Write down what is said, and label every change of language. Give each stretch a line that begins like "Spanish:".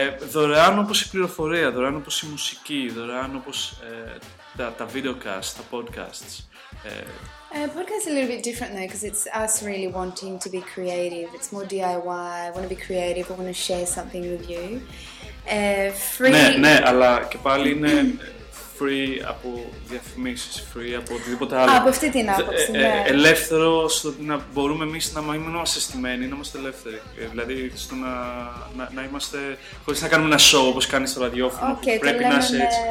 Greek: Δωρεάν όπως η πληροφορία, δωρεάν όπως η μουσική, δωρεάν όπως τα video cast, τα podcasts.
English: Podcast is a little bit different though because it's us really wanting to be creative. It's more DIY, I want to be creative, I want to share something with you. Free...
Greek: Ναι, αλλά και πάλι είναι... free από διαφημίσεις, free από οτιδήποτε άλλο. Από αυτή την άποψη, ναι. Ελεύθερο στο ότι να μπορούμε εμείς να μην είμαστε στημένοι, να είμαστε ελεύθεροι. Δηλαδή στο να είμαστε χωρίς να κάνουμε ένα show όπως κάνεις στο ραδιόφωνο okay, που πρέπει να είσαι έτσι.